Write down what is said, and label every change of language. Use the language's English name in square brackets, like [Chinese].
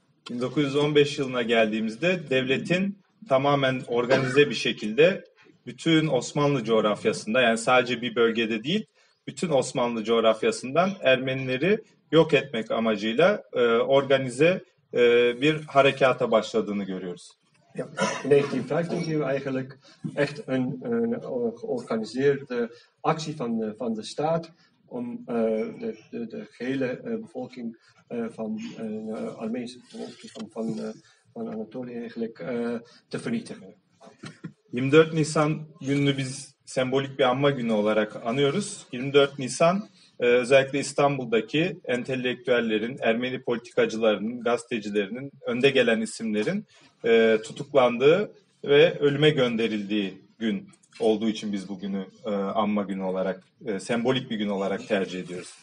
[Turkish] 1915 yılına geldiğimizde devletin tamamen organize bir şekilde bütün Osmanlı coğrafyasında, yani sadece bir bölgede değil, bütün Osmanlı coğrafyasından Ermenileri yok etmek amacıyla organize bir harekata başladığını görüyoruz. [Dutch] Ja, in 1915 zien we eigenlijk echt een georganiseerde actie van de staat om de gehele bevolking van Armeense bevolking van Anatolië eigenlijk te vernietigen. [Turkish] 24 Nisan gününü biz sembolik bir anma günü olarak anıyoruz. 24 Nisan özellikle İstanbul'daki entelektüellerin, Ermeni politikacılarının, gazetecilerinin, önde gelen isimlerin tutuklandığı ve ölüme gönderildiği gün olduğu için biz bugünü anma günü olarak, sembolik bir gün olarak tercih ediyoruz.